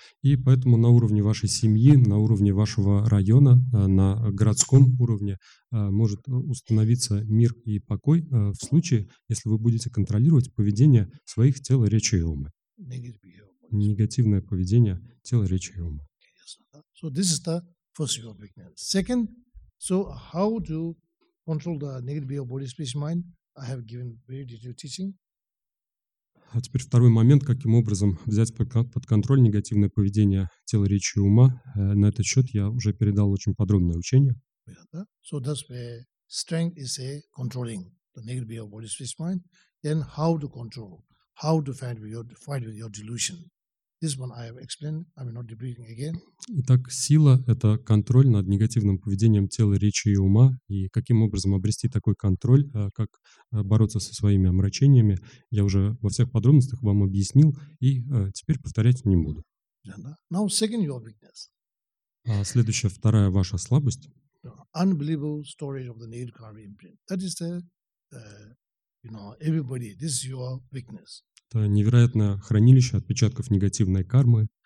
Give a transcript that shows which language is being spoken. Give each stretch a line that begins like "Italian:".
Russian: И поэтому на уровне вашей семьи, на уровне вашего района, на городском уровне может установиться мир и покой в случае, если вы будете контролировать поведение своих тела, речи и ума. Негативное поведение тела, речи и ума.
English: So this is the first your weakness. Second, so how to control the negative behavior, body, speech, mind? I have given very detailed teaching.
Russian: А теперь второй момент, каким образом взять под контроль негативное поведение тела, речи и ума. На этот счет я уже передал очень подробное учение.
English: So that's where strength is a controlling the negative behavior, body, speech, mind. Then how to control, how to fight with your delusion. This one I have explained. I will not repeat again.
Russian: Итак, сила – это контроль над негативным поведением тела, речи и ума. И каким образом обрести такой контроль, как бороться со своими омрачениями, я уже во всех подробностях вам объяснил, и теперь повторять не буду.
English: Now, second your weakness.
Russian: Следующая, вторая ваша слабость.
English: Unbelievable storage of the native karma imprint. That is the, everybody, this is your weakness.
Russian: Это невероятное хранилище отпечатков негативной кармы.